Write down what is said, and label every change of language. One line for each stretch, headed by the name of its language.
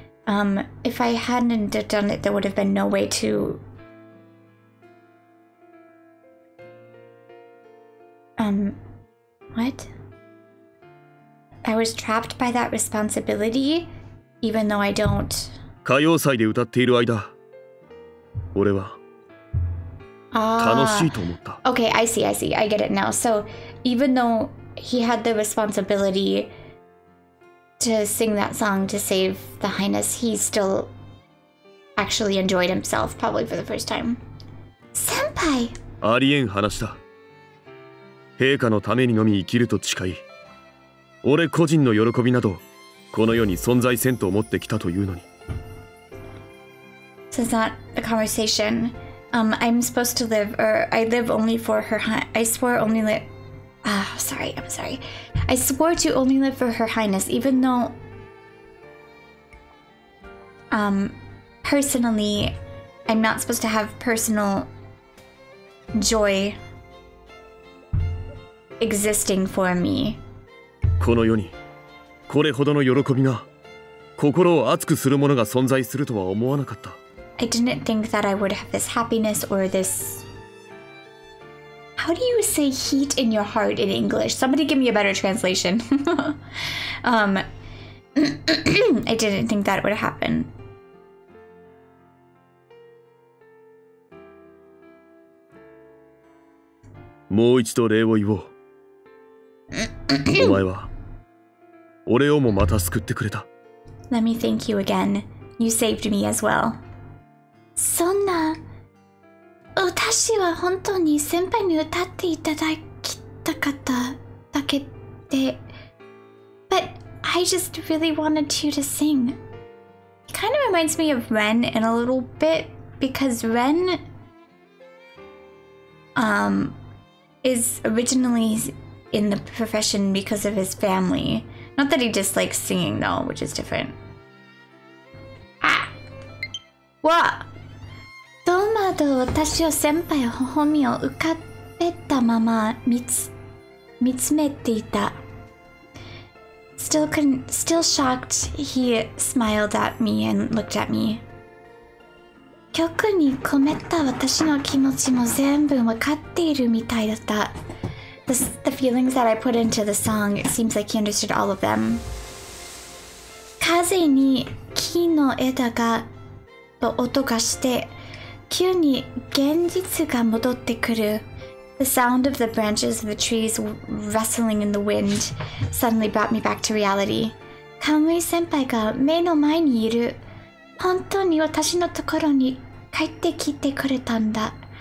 English: If I hadn't done it, there would have been no way to... What? I was trapped by that responsibility, even though I don't...
Japanese: 歌謡祭で歌っている間、俺は楽しいと思った。
English: Okay, I see, I see. I get it now. So, even though he had the responsibility... to sing that song to save the Highness, he still actually enjoyed himself, probably for the first time. Senpai!
Japanese: ありえん話だ。陛下のためにのみ生きると誓い、俺個人の喜びなど、この世に存在せんと思ってきたというのに。
English: So it's not a conversation. I'm supposed to live, or I live only for her I swore only that... I'm sorry. I swore to only live for Her Highness, even though... personally, I'm not supposed to have personal joy existing for me.
Japanese: この世に、これほどの喜びが、心を熱くするものが存在するとは思わなかった。
English: I didn't think that I would have this happiness or this... How do you say heat in your heart in English? Somebody give me a better translation. I didn't think that would happen.
Japanese: もう一度礼を言おう。お前は俺をもまた救ってくれた。
English: Let me thank you again. You saved me as well.
Japanese: そんな…私は本当に先輩に歌っていただきたかっただけで。
English: But I just really wanted you to sing. It kind of reminds me of Ren in a little bit because Ren, is originally in the profession because of his family. Not that he dislikes singing though, which is different. Ah! What?
Japanese: どうまど私を先輩は微笑みを浮かべたまま見つめていた。
English: Still shocked, he smiled at me and looked at me.
Japanese: 曲に込めた私の気持ちも全部わかっているみたいだった。
English: The feelings that I put into the song, it seems like he understood all of them.
Japanese: 風に木の枝が音がして、急に現実が戻ってくる。
English: The sound of the branches of the trees rustling in the wind suddenly brought me back to reality.
Japanese: カムイ先輩が目の前にいる。本当に私のところに帰ってきてくれたんだ。